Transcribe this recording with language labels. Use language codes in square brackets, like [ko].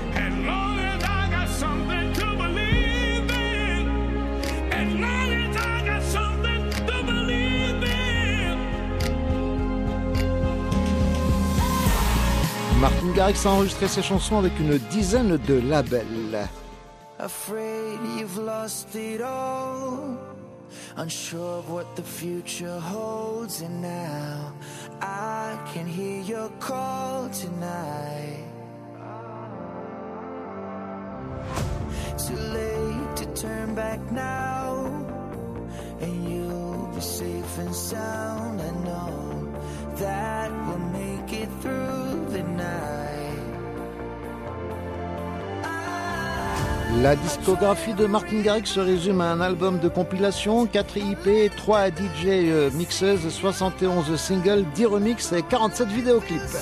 [en] As long as I got something to believe in. As long as I got something to believe in. [fr] Martin Garrix a enregistré ses chansons avec une dizaine de labels. [en] Afraid you've lost it all, unsure of what the future holds, and now I can hear your call tonight. Too late to turn back now, and you'll be safe and sound. I know that we'll make it through the night. [fr] La discographie de Martin Garrix se résume à un album de compilation, 4 IP, 3 DJ mixes, 71 singles, 10 remixes et 47 vidéoclips.